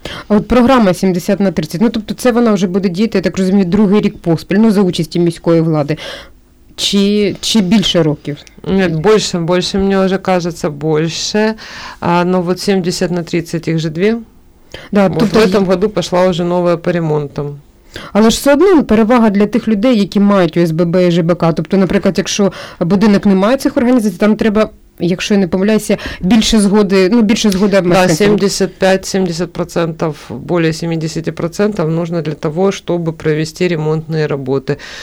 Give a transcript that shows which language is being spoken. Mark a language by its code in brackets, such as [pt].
[uk] А от програма 70 на 30, ну, тобто це вона вже буде діяти, я так розумію, другий рік поспіль, ну, за участі міської влади. Чи більше років? [ru] Нет, больше, мне уже кажется, больше. А, но вот 70 на 30, их же две. Да, вот тут в этом году пошла уже новая по ремонтам. [uk] Але ж все одно перевага для тих людей, які мають ОСББ і ЖБК. Тобто, наприклад, якщо будинок не має цих організацій, там треба, якщо я не помиляюся, більше згоди, ну, більше згоди обмежити. Так, 75-70%, більше 70% потрібно для того, щоб провести ремонтні роботи.